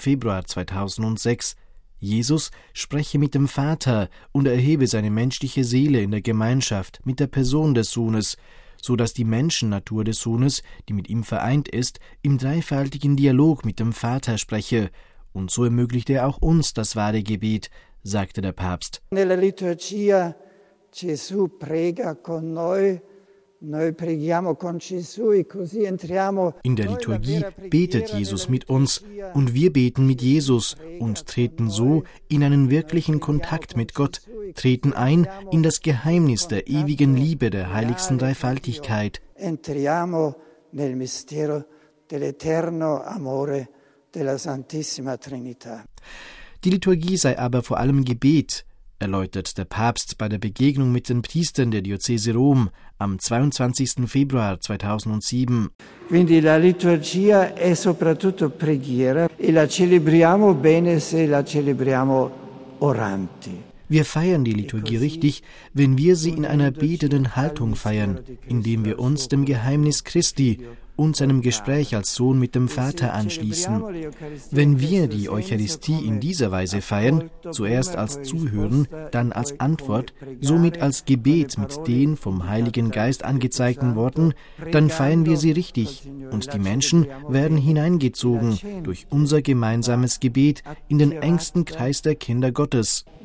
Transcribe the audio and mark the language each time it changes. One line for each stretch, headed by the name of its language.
German: Februar 2006. Jesus spreche mit dem Vater und erhebe seine menschliche Seele in der Gemeinschaft mit der Person des Sohnes, so dass die Menschennatur des Sohnes, die mit ihm vereint ist, im dreifaltigen Dialog mit dem Vater spreche. Und so ermöglicht er auch uns das wahre Gebet, sagte der Papst.
Italian: Nella liturgia Gesù prega con noi.
German: In der Liturgie betet Jesus mit uns und wir beten mit Jesus und treten so in einen wirklichen Kontakt mit Gott, treten ein in das Geheimnis der ewigen Liebe der heiligsten Dreifaltigkeit.
Italian: Entriamo nel mistero dell'eterno amore della Santissima Trinità.
German: Die Liturgie sei aber vor allem Gebet, erläutert der Papst bei der Begegnung mit den Priestern der Diözese Rom am 22. Februar 2007.
Italian: Quindi la liturgia è soprattutto preghiera e la celebriamo bene se la celebriamo oranti.
German: Wir feiern die Liturgie richtig, wenn wir sie in einer betenden Haltung feiern, indem wir uns dem Geheimnis Christi und seinem Gespräch als Sohn mit dem Vater anschließen. Wenn wir die Eucharistie in dieser Weise feiern, zuerst als Zuhören, dann als Antwort, somit als Gebet mit den vom Heiligen Geist angezeigten Worten, dann feiern wir sie richtig und die Menschen werden hineingezogen durch unser gemeinsames Gebet in den engsten Kreis der Kinder Gottes.